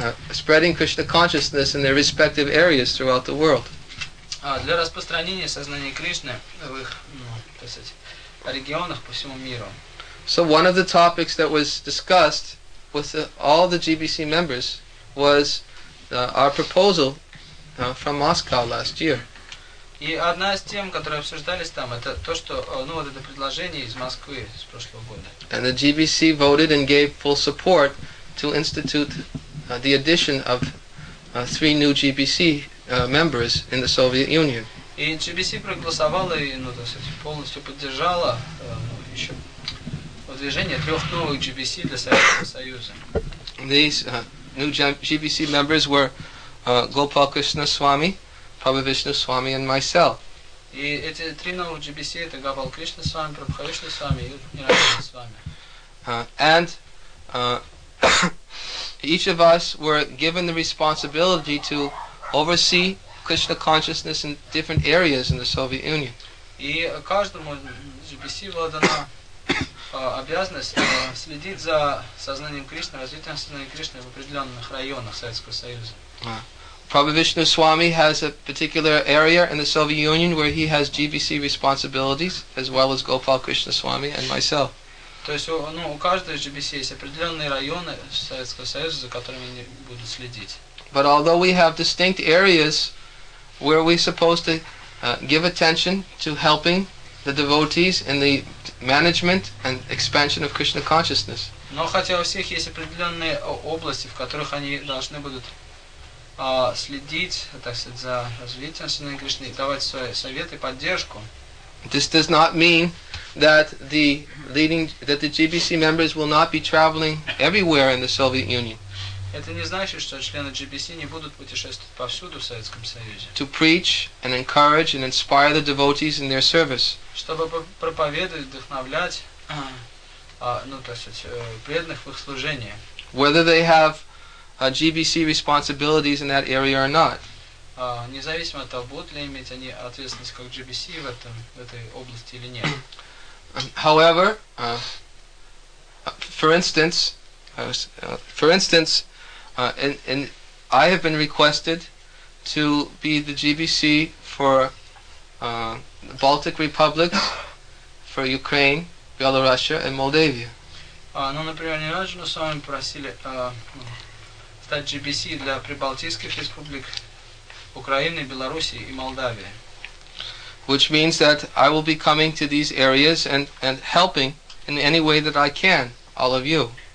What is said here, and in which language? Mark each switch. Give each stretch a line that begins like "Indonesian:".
English: Spreading Krishna consciousness in their respective areas throughout the world.
Russian: Для распространения сознания Кришны в их, ну, так сказать, регионах по всему миру.
English: So one of the topics that was discussed with all the GBC members was our proposal from Moscow last year.
Russian: И одна из тем, которые обсуждались там, это то, что, ну, вот это предложение из Москвы с прошлого года.
English: And the GBC voted and gave full support to institute the addition of three new GBC members in the Soviet Union.
Russian: И GBC проголосовала и, ну, то есть полностью поддержала еще выдвижение трех новых GBC для Советского Союза.
English: These new GBC members were Gopal Krishna Swami, Prabhu Vishnu Swami, and myself.
Russian: И эти три новых GBC это Gopal Krishna Swami, Prabhu Vishnu Swami, и Niranjan Swami.
English: Each of us were given the responsibility to oversee Krishna consciousness in different areas in the Soviet Union.
Russian: И каждому GBC была дана обязанность следить за сознанием Кришны, развитием сознания Кришны в определенных районах Советского Союза.
English: Prabhu Vishnu Swami has a particular area in the Soviet Union where he has GBC responsibilities, as well as Gopal Krishna Swami and myself.
Russian: То есть, ну, у каждой GBC есть определенные районы Советского Союза, за которыми они будут следить.
English: But although we have distinct areas where we supposed to give attention to helping the devotees in the management and expansion of Krishna consciousness.
Russian: Но хотя у всех есть определенные области, в которых они должны будут следить, так сказать, за развитием сознания Кришны, давать свои советы, поддержку.
English: This does not mean that the GBC members will not be traveling everywhere in the Soviet Union.
Russian: Это не значит, что члены GBC не будут путешествовать повсюду в Советском Союзе.
English: To preach and encourage and inspire the devotees in their service.
Russian: Чтобы проповедовать, вдохновлять, ну, то есть, преданных в их служении.
English: Whether they have GBC responsibilities in that area or not.
Russian: Независимо от того, будут ли иметь они ответственность как GBC в этом, в этой области или нет.
English: However, for instance, I have been requested to be the GBC for the Baltic Republic, for Ukraine, Belarusia and Moldavia.
Russian: Ну, например, не раньше, но с вами просили стать GBC для прибалтийских республик Украины, Белоруссии и Молдавии.
English: Which means that I will be coming to these areas and helping in any way that I can, all of you.